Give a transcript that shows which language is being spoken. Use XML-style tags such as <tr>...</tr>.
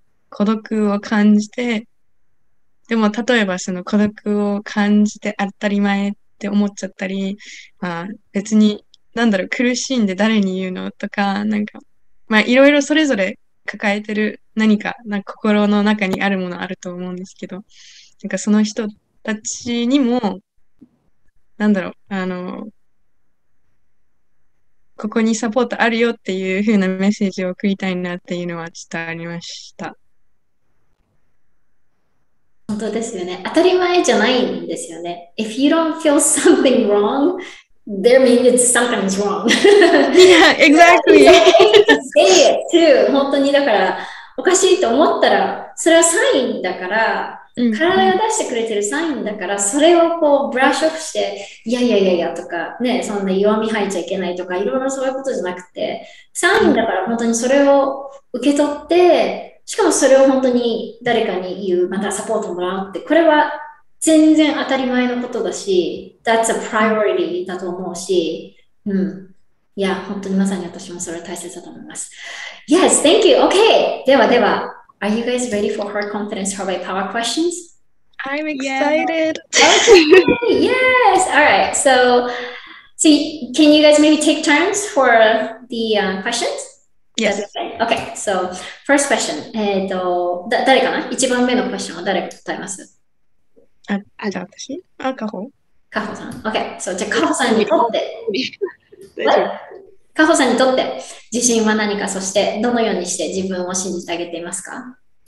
<ja>孤独を感じて、でも例えばその孤独を感じて当たり前って思っちゃったり、まあ別に、なんだろう、苦しんで誰に言うのとか、なんか、まあいろいろそれぞれ抱えてる何か、なんか心の中にあるものあると思うんですけど、なんかその人、たちにも、なんだろう、ここにサポートあるよっていう風なメッセージを送りたいなっていうのは伝わりました。本当ですよね。当たり前じゃないんですよね。</ja> <en>If you don't feel something wrong, there means it's something's wrong. Yeah, exactly. It's okay to say it too.</en> <ja>本当にだから、おかしいと思ったら、それはサインだから、体が出してくれてるサインだから、それをこうブラッシュオフして、いやいやいやいやとか、ね、そんな弱み入っちゃいけないとか、いろいろそういうことじゃなくて、サインだから本当にそれを受け取って、しかもそれを本当に誰かに言う、またサポートもらうって、これは全然当たり前のことだし、</ja> <en>that's a priority</en> <ja>だと思うし、うん。いや、本当にまさに私もそれは大切だと思います。</ja> <en>Yes, thank you! Okay!</en> <ja>ではでは。</ja> <en>Are you guys ready for her confidence, her by power questions? I'm excited. Okay. Yes. All right. So, can you guys maybe take turns for the questions? Yes. Okay. So, first question.</en> <ja>誰かな？一番目のクエスチョンは誰が答えます？あ、じゃあ私？あ、カホ。カホさん。Okay. So, じゃあカホさんにとって。カホさんにとって自信は何か、そしてどのようにして自分を信じてあげていますか？</ja>